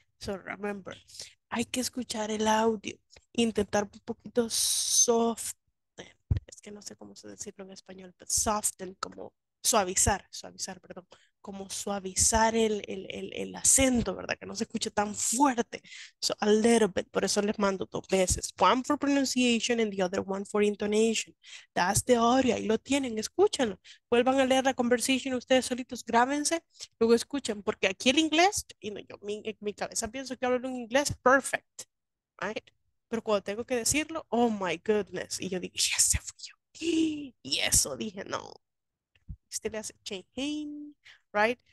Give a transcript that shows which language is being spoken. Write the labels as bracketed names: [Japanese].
[Spanish] So remember, hay que escuchar el audio, intentar un poquito soften, es que no sé cómo decirlo en español, [English] but soften, [Spanish] como suavizar, perdón, como suavizar el acento, ¿verdad? Que no se escuche tan fuerte. [English] So a little bit, [Spanish] por eso les mando dos veces. [English] One for pronunciation and the other one for intonation. That's the audio, [Spanish] ahí lo tienen, escúchenlo. Vuelvan a leer la conversation ustedes solitos, grábense, luego escuchen, porque aquí el inglés, y no, yo en mi cabeza pienso que hablo un inglés [English] perfect, right? [Spanish] Pero cuando tengo que decirlo, [English] oh my goodness, [Spanish] y yo digo, ya se fui yo. Y eso dije, no. Usted le hace [English] change, right?